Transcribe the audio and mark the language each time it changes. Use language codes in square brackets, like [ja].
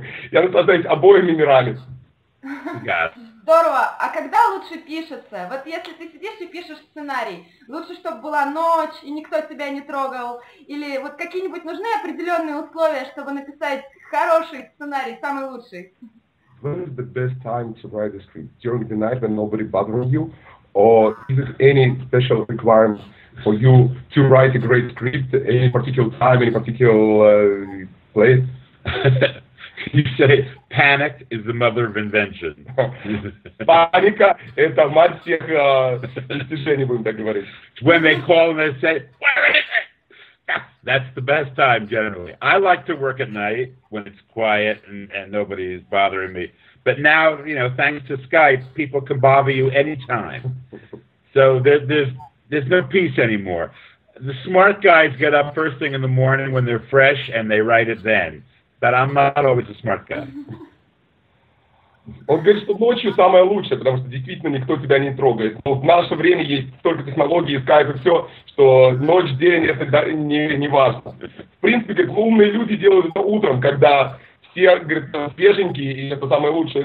[ru] Я наслаждаюсь обоими мирами. Здорово. А когда лучше пишется? Вот если ты сидишь и пишешь сценарий, лучше, чтобы была ночь и никто тебя не трогал? Или вот какие-нибудь нужны определенные условия, чтобы написать хороший сценарий, самый лучший? [en] When is the best time to write a script? During the night when nobody bothers you? Or is there any special requirement for you to write a great script at any particular time, any particular place? You say panic is the mother of invention. [ru] Паника – это мать всех достижений, будем так говорить. [en] When they call and they say, where is it? That's the best time, generally. I like to work at night when it's quiet and nobody is bothering me. But now, you know, thanks to Skype, people can bother you anytime. So there's no peace anymore. The smart guys get up first thing in the morning when they're fresh and they write it then. But I'm not always a smart guy. [ru] Он говорит, что ночью самое лучшее, потому что действительно никто тебя не трогает. Но в наше время есть столько технологий, скайп и все, что ночь, день, это не важно. В принципе, как умные люди делают это утром, когда все, говорят, свеженькие, и это самое лучшее.